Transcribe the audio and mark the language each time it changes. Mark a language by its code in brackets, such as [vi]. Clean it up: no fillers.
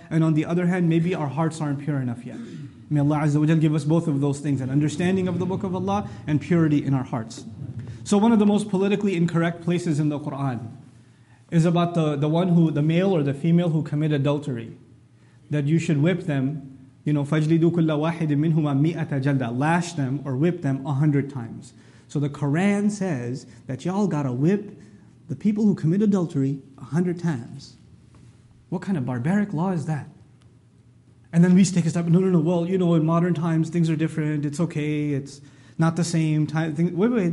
[en] And on the other hand, maybe our hearts aren't pure enough yet. May Allah Azza wa Jal give us both of those things, an understanding of the Book of Allah and purity in our hearts. So one of the most politically incorrect places in the Qur'an is about the male or the female who commit adultery, that you should whip them. You know, [ar] فَجْلِدُوا كُلَّ وَاحِدٍ مِّنْهُمَا مِئَةَ جَلْدًا. [en] Lash them or whip them 100 times. So the Quran says that y'all gotta whip the people who commit adultery 100 times. What kind of barbaric law is that? And then we take a step, no. Well, you know, in modern times, things are different. It's okay. It's not the same time. Wait.